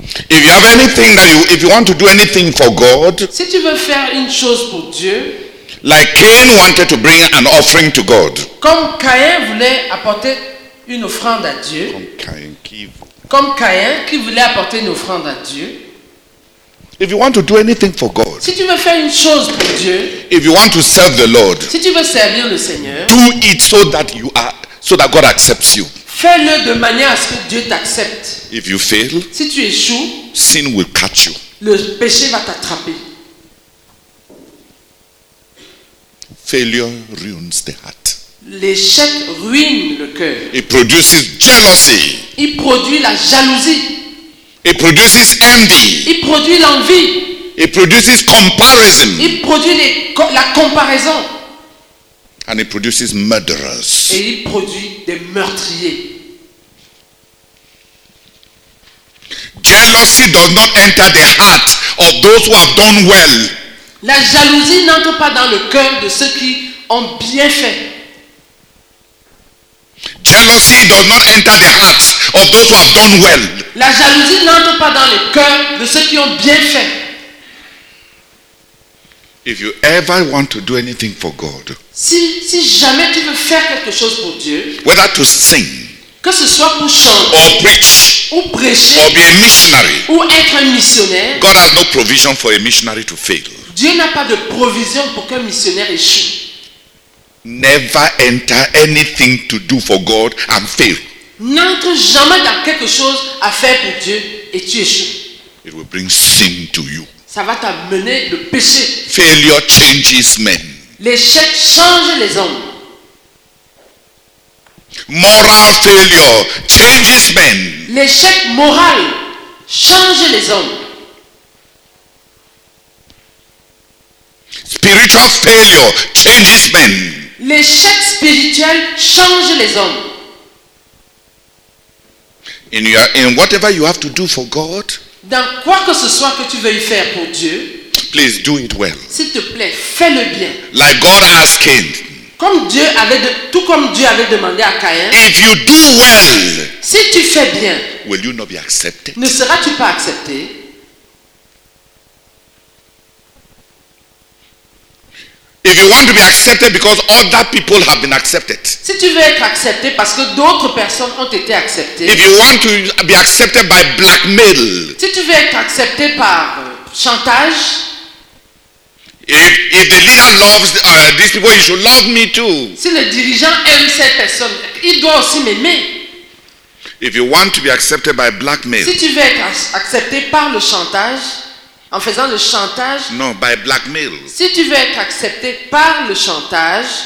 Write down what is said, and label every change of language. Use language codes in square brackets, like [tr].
[en] If you have anything that you, if you want to do anything for God, [fr] si tu veux faire une chose pour Dieu, [en] like Cain wanted to bring an offering to God, [fr] comme Caïn voulait apporter une offrande à Dieu, comme Caïn qui voulait apporter une offrande à Dieu. [en] If you want to do anything for God, [fr] si tu veux faire une chose pour Dieu, [en] if you want to serve the Lord, [fr] si tu veux servir le Seigneur, [en] do it so that you are, so that God accepts you. [fr] Fais-le de manière à ce que Dieu t'accepte. [en] If you fail, [fr] si tu échoues, [en] sin will catch you. [fr] Le péché va t'attraper. [en] Failure ruins the heart. [fr] L'échec ruine le cœur. [en] It produces jealousy. [fr] Il produit la jalousie. [en] It produces envy. [fr] Il produit l'envie. [en] It produces comparison. [fr] Il produit la comparaison. [en] And it produces murderers. [fr] Et il produit des meurtriers. [en] Jealousy does not enter the heart of those who have done well. [fr] La jalousie n'entre pas dans le cœur de ceux qui ont bien fait. [en] Jealousy does not enter the hearts of those who have done well. [fr] La jalousie n'entre pas dans le cœur de ceux qui ont bien fait. [en] If you ever want to do anything for God, [fr] si jamais tu veux faire quelque chose pour Dieu, [en] whether to sing, [fr] que ce soit pour chanter, [en] or preach, [fr] ou prêcher, [en] or be a missionary, [fr] ou être un missionnaire, [en] God has no provision for a missionary to fail. [fr] Dieu n'a pas de provision pour qu'un missionnaire échoue. [en] Never enter anything to do for God and fail. [fr] N'entre jamais dans quelque chose à faire pour Dieu et tu échoues. [en] It will bring sin to you. [fr] Ça va t'amener le péché. [en] Failure changes men. [fr] L'échec change les hommes. [en] Moral failure changes men. [fr] L'échec moral change les hommes. [en] Spiritual failure changes men. [fr] L'échec spirituel change les hommes. [en] In whatever you have to do for God, [fr] dans quoi que ce soit que tu veuilles faire pour Dieu, [en] please do it well. [fr] S'il te plaît, fais-le bien. [en] Like God asking. [fr] Tout comme Dieu avait demandé à Caïn. [en] If you do well, [fr] si tu fais bien, [en] will you not be accepted? [fr] Ne seras-tu pas accepté? [en] If you want to be accepted because other people have been accepted. [fr] Si tu veux être accepté parce que d'autres personnes ont été acceptées. [en] If you want to be accepted by blackmail. [fr] Si tu veux être accepté par chantage. [en] If the leader loves these people, he should love me too. [fr] Si le dirigeant aime ces personnes, il doit aussi m'aimer. [en] If you want to be accepted by blackmail. [fr] Si tu veux être accepté par le chantage. En faisant le chantage. [en] Non, by blackmail. [fr] Si tu veux être accepté par le chantage,